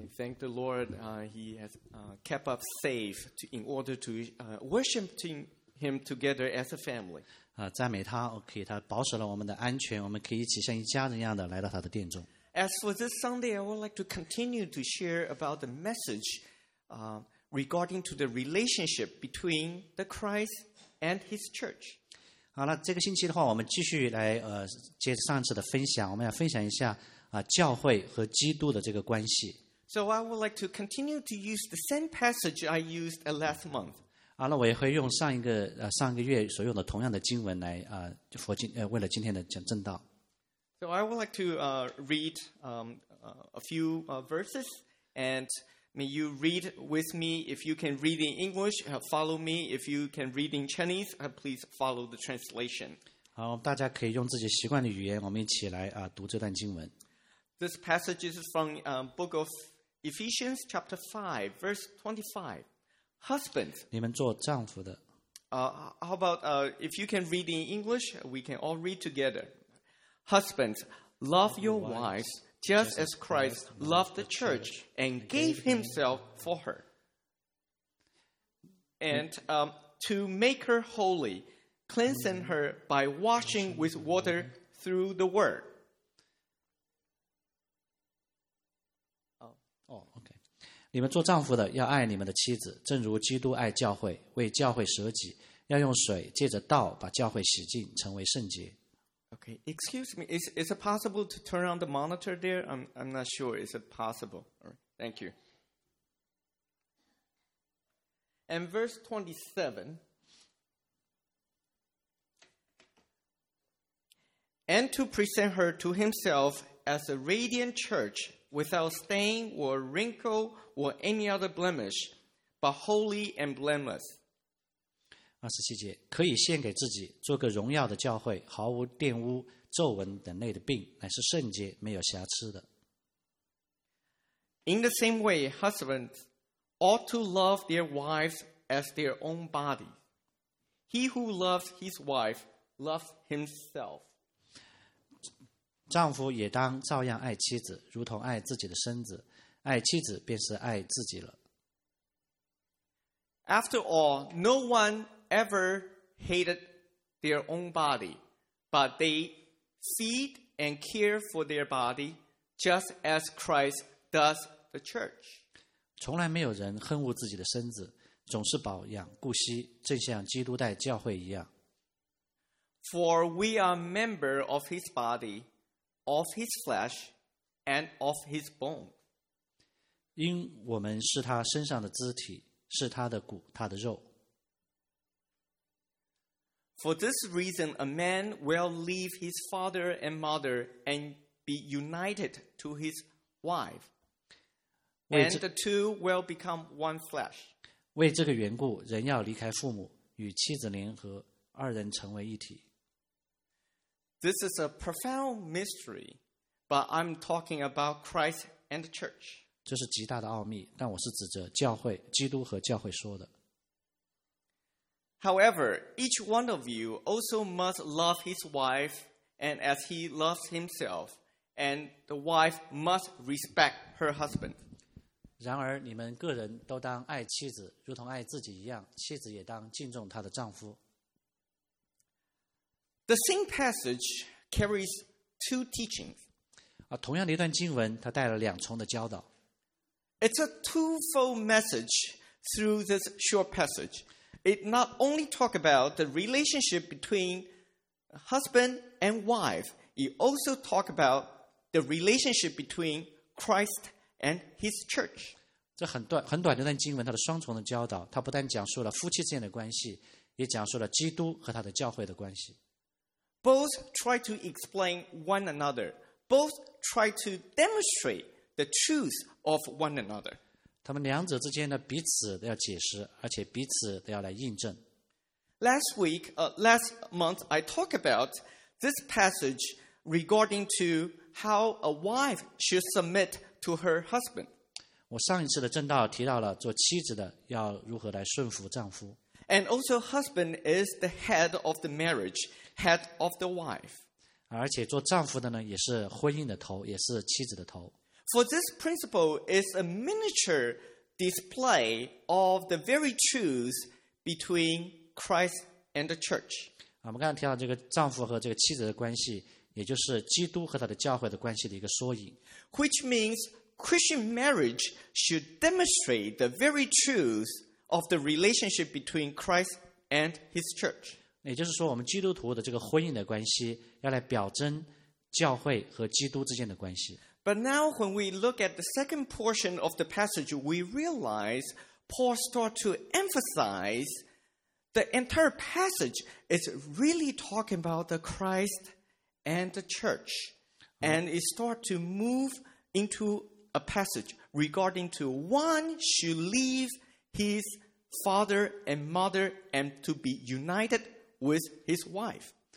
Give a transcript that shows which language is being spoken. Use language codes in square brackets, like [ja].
[en] thank the Lord he has kept us safe to, in order to worship him together as a family. [zh] 赞美他 okay, 他保守了我们的安全我们可以一起像一家人一样的来到他的殿中。 [en] As for this Sunday, I would like to continue to share about the message regarding to the relationship between the Christ and his church. [zh] 好了这个星期的话我们继续来接着上次的分享我们要分享一下教会和基督的这个关系。 [en] So I would like to continue to use the same passage I used last month. [zh] 好了我也会用上一个月所用的同样的经文来为了今天的正道。 [en] So I would like to read a few verses, and may you read with me if you can read in English. Follow me if you can read in Chinese. Please follow the translation. [zh] 好，大家可以用自己习惯的语言，我们一起来读这段经文。 [en] This passage is from Book of Ephesians, chapter 5, verse 25. Husbands, [zh] 你们做丈夫的。 [en] How about if you can read in English, we can all read together. Husbands, love your wives just as Christ loved the church and gave himself for her. And to make her holy, cleansing her by washing with water through the word. Oh, okay. [zh] 你们做丈夫的要爱你们的妻子，正如基督爱教会，为教会舍己，要用水借着道把教会洗净，成为圣洁。 [en] Okay, excuse me, is it possible to turn on the monitor there? I'm not sure, is it possible? All right, thank you. And verse 27. And to present her to himself as a radiant church without stain or wrinkle or any other blemish, but holy and blameless. [zh] 二十七节，可以献给自己，做个荣耀的教会，毫无玷污、皱纹等类的病，乃是圣洁、没有瑕疵的。 [en] In the same way, husbands ought to love their wives as their own body. He who loves his wife loves himself. [zh] 丈夫也当照样爱妻子，如同爱自己的身子，爱妻子便是爱自己了。 [en] After all, no one. Ever hated their own body, but they feed and care for their body just as Christ does the church. [zh] 从来没有人恨恶自己的身子，总是保养顾惜，正像基督待教会一样。 [en] For we are members of his body, of his flesh, and of his bone. [zh] 因我们是他身上的肢体，是他的骨，他的肉。 [en] For this reason, a man will leave his father and mother and be united to his wife. And the two will become one flesh. [zh] 为这个缘故，人要离开父母，与妻子联合，二人成为一体。 [en] This is a profound mystery, but I'm talking about Christ and the church. [zh] 这是极大的奥秘，但我是指着教会，基督和教会说的。 [en] However, each one of you also must love his wife and as he loves himself, and the wife must respect her husband. [zh] 然而你们个人都当爱妻子如同爱自己一样妻子也当敬重她的丈夫。 [en] The same passage carries two teachings. [zh] 同样的一段经文它带了两重的教导。 [en] It's a twofold message through this short passage. It not only talk about the relationship between husband and wife, it also talk about the relationship between Christ and his church. [zh] 这很短的一段经文，它的双重的教导，它不但讲述了夫妻之间的关系，也讲述了基督和他的教会的关系。 [en] Both try to explain one another. Both try to demonstrate the truth of one another. [zh] 他们两者之间的彼此都要解释，而且彼此都要来印证。 [en] Last month, I talked about this passage regarding to how a wife should submit to her husband. [zh] 我上一次的正道提到了做妻子的要如何来顺服丈夫。 [en] And also, husband is the head of the marriage, head of the wife. [zh] 而且做丈夫的呢，也是婚姻的头，也是妻子的头。 [en] For this principle is a miniature display of the very truth between Christ and the church. [zh] 我们刚才提到这个丈夫和这个妻子的关系，也就是基督和他的教会的关系的一个缩影。 [en] Which means Christian marriage should demonstrate the very truth of the relationship between Christ and his church. [zh] 也就是说，我们基督徒的这个婚姻的关系，要来表征教会和基督之间的关系。 [en] But now when we look at the second portion of the passage, we realize Paul starts to emphasize the entire passage is really talking about the Christ and the church. And it starts to move into a passage regarding to one should leave his father and mother and to be united with his wife.